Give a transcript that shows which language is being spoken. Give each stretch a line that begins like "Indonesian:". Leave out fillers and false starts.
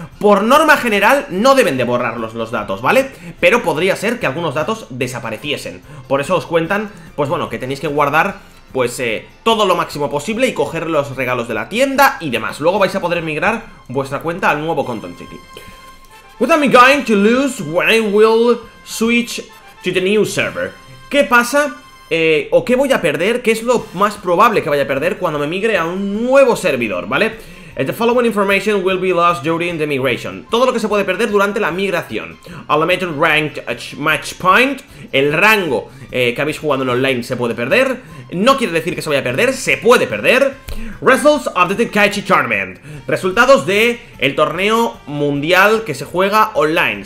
Spanish: Por norma general no deben de borrarlos los datos, ¿vale? Pero podría ser que algunos datos desapareciesen. Por eso os cuentan, pues bueno, que tenéis que guardar pues todo lo máximo posible y coger los regalos de la tienda y demás. Luego vais a poder migrar vuestra cuenta al nuevo Canton City.
English: What am I going to lose when I will switch to the new server?
Spanish: ¿Qué pasa? ¿O qué voy a perder? ¿Qué es lo más probable que vaya a perder cuando me migre a un nuevo servidor, ¿vale?
English: The following information will be lost during the migration.
Spanish: Todo lo que se puede perder durante la migración.
English: Automated ranked match point.
Spanish: El rango que habéis jugado en online se puede perder. No quiere decir que se vaya a perder, se puede perder.
English: Results of the Tenkaichi Tournament.
Spanish: Resultados de el torneo mundial que se juega online.